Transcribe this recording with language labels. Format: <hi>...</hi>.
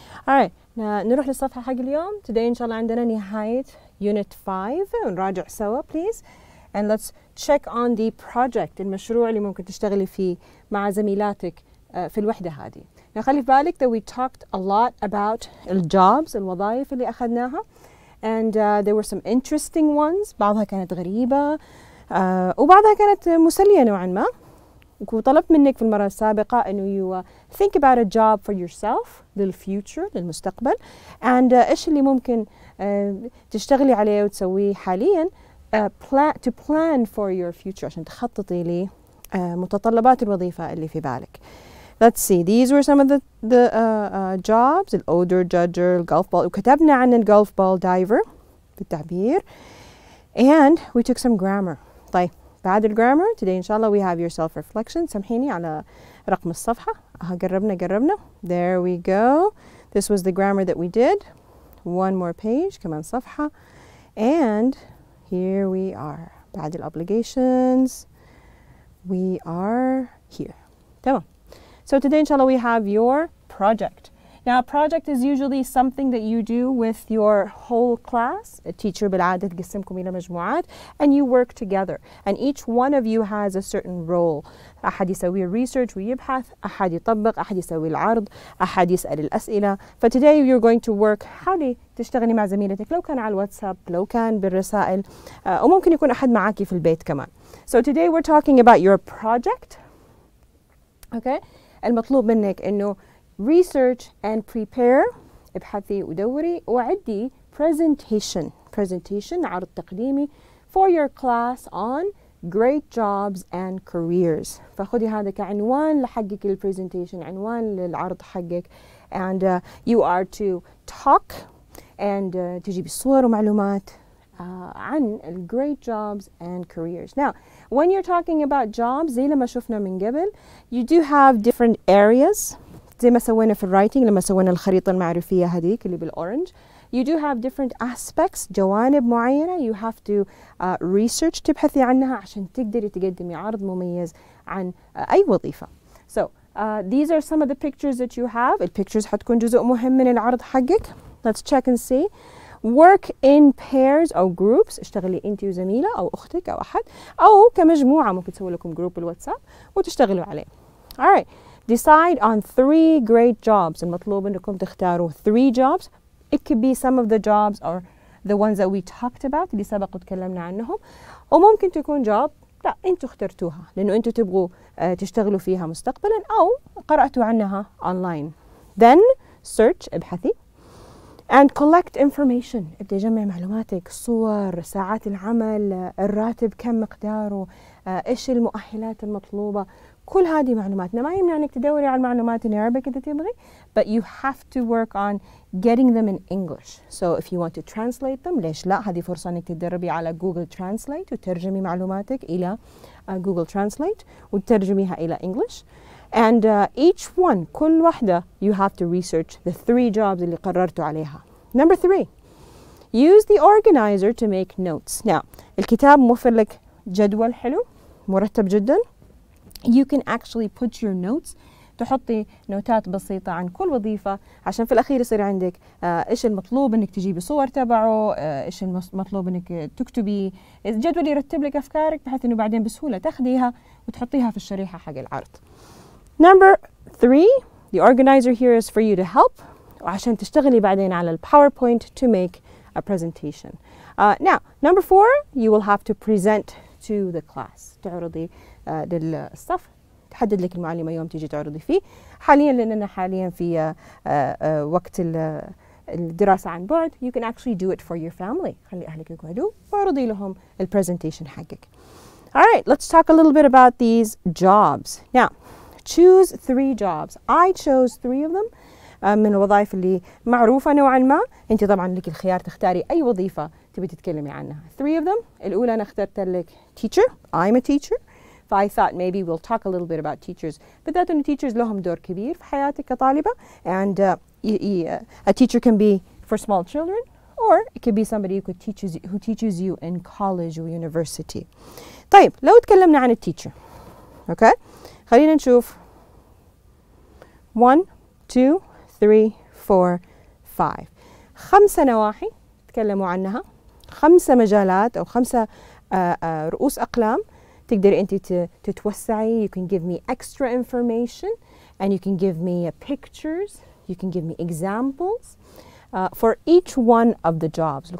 <en>Alright,</en> <ar>نروح للصفحة حق اليوم.</ar> <en>Today</en> <ar>إن شاء الله عندنا نهاية Unit 5. نراجع سوا</ar> <en>please. And let's check on the project,</en> <ar>المشروع اللي ممكن تشتغلي فيه مع زميلاتك في الوحدة هذه. نخلي في بالك</ar> <en>that we talked a lot about</en> <ar>الجوبز, الوظائف اللي أخذناها.</ar> <en>And there were some interesting ones.</en> <ar>بعضها كانت غريبة وبعضها كانت مسلية نوعا ما. وطلبت منك في المرة السابقة إنه</ar> <en>you think about a job for yourself</en> <ar>للfuture, للمستقبل. And إيش اللي ممكن تشتغلي عليه وتسويه حاليا</ar> <en>to plan for your future,</en> <ar>عشان تخططي لي متطلبات الوظيفة اللي في بالك.</ar> <en>Let's see. These were some of the jobs. The odor judger, golf ball.</en> <ar>وكتبنا عن</ar> <en>the golf ball diver</en> <ar>بالتعبير.</ar> <en>And we took some grammar.</en> <ar>طيب, بعد</ar> <en>الgrammar, today, inshallah, we have your self-reflection.</en> <ar>سمحيني على رقم الصفحة. قربنا.</ar> <en>There we go. This was the grammar that we did. One more page.</en> <ar>كمان صفحة.</ar> <en>And here we are.</en> <ar>بعد</ar> <en>the obligations, we are here.</en> <ar>تمام.</ar> <en>So today, inshallah, we have your project. Now, a project is usually something that you do with your whole class. A teacher</en> <ar>بالعادة تقسمكم إلى مجموعات,</ar> <en>and you work together. And each one of you has a certain role.</en> <ar>أحد يسوي</ar> <en>research</en> <ar>ويبحث, أحد يطبق, أحد يسوي العرض, أحد يسأل الأسئلة. فtoday</ar> <en>you're going to work.</en> <ar>حاولي تشتغلي مع زميلتك, لو كان على الواتساب, لو كان بالرسائل, وممكن يكون أحد معاك في البيت كمان.</ar> <en>So today we're talking about your project. Okay.</en> <ar>المطلوب منك إنه</ar> <en>research and prepare,</en> <ar>ابحثي ودوري وعدي</ar> <en>presentation,</en> <ar>عرض تقديمي</ar> <en>for your class on great jobs and careers.</en> <ar>فخذي هذا كعنوان لحقك البرزنتيشن, عنوان للعرض حقك.</ar> <en>And you are to talk and</en> <ar>تجيب صور ومعلومات عن</ar> <en>great jobs and careers. Now, when you're talking about jobs,</en> <ar>زي لما شفنا من قبل,</ar> <en>you do have different areas.</en> <ar>زي ما سوينا في writing, لما سوينا الخريطة المعرفية هذيك اللي بالأورنج,</ar> <en>you do have different aspects,</en> <ar>جوانب معينة</ar> <en>you have to research,</en> <ar>تبحثي عنها عشان تقدري تقدمي عرض مميز عن أي وظيفة.</ar> <en>So, these are some of the pictures that you have. The pictures</en> <ar>حتكون جزء مهم من العرض حقك.</ar> <en>Let's check and see. Work in pairs or groups.</en> <ar>اشتغلي انت وزميلة او اختك او احد, او كمجموعة ممكن تسوي لكم جروب بالواتساب وتشتغلوا عليه.</ar> <en>Alright, decide on three great jobs.</en> <ar>المطلوب انكم تختاروا</ar> <en>three jobs. It could be some of the jobs or the ones that we talked about,</en> <ar>اللي سبق وتكلمنا عنهم, وممكن تكون job لا انتو اخترتوها لانو انتو تبغوا تشتغلوا فيها مستقبلا او قرأتوا عنها</ar> <en>online. Then search,</en> <ar>ابحثي.</ar> <en>And collect information.</en> <ar>ابدي جمع معلوماتك, صور, ساعات العمل, الراتب كم مقداره, ايش المؤهلات المطلوبة, كل هذه معلومات. ما يمنع انك تدوري على المعلومات in Arabic اذا تبغي,</ar> <en>but you have to work on getting them in English. So if you want to translate them,</en> <ar>ليش لا, هذه فرصة انك تدربي على Google Translate وترجمي معلوماتك الى Google Translate وترجميها الى English.</ar> <en>And each one,</en> <ar>كل واحدة,</ar> <en>you have to research the three jobs</en> <ar>اللي قررتوا عليها.</ar> <en>Number three, use the organizer to make notes.</en> <ar>Now, الكتاب موفر لك جدول حلو, مرتب جدا.</ar> <en>You can actually put your notes,</en> <ar>تحطي نوتات بسيطة عن كل وظيفة عشان في الأخير يصير عندك إيش المطلوب إنك تجيبي صور تبعه, إيش المطلوب إنك تكتبي. الجدول يرتب لك أفكارك بحيث إنه بعدين بسهولة تاخديها وتحطيها في الشريحة حق العرض.</ar> <en>Number three, the organizer here is for you to help.</en> <ar>عشان تشتغلي بعدين على PowerPoint</ar> <en>to make a presentation. Now, number four, you will have to present to the class.</en> <ar>تعرضي للصف. تحدد لك المعلمة يوم تيجي تعرضي فيه. حاليا لأننا حاليا في وقت الدراسة عن بعد, you can actually do it for your family. خلي أهلك يقعدوا وعرضي لهم البرزنتيشن حقك.</ar> <en>All right, let's talk a little bit about these jobs. Now, choose three jobs. I chose three of them.</en> <ar>من الوظائف اللي معروفة نوعا ما. انت طبعا لك الخيار تختاري اي وظيفة تبي تتكلمي عنها.</ar> <en>Three of them.</en> <ar>الاولى انا اخترت لك teacher.</ar> <en>I'm a teacher. I thought maybe we'll talk a little bit about teachers.</en> <ar>بالذات ان</ar> <en>teachers</en> <ar>لهم دور كبير في حياتك كطالبة.</ar> <en>And a teacher can be for small children or it could be somebody who could teaches you, who teaches you in college or university.</en> <ar>طيب لو تكلمنا عن teacher.</ar> <en>Okay,</en> <ar>خلينا نشوف.</ar> <en>1, 2, 3, 4, 5.</en> <ar>خمسة نواحي تكلموا عنها. خمسة مجالات أو خمسة رؤوس أقلام تقدر أنت تتوسعي.</ar> <en>You can give me extra information and you can give me pictures. You can give me examples for each one of the jobs.</en>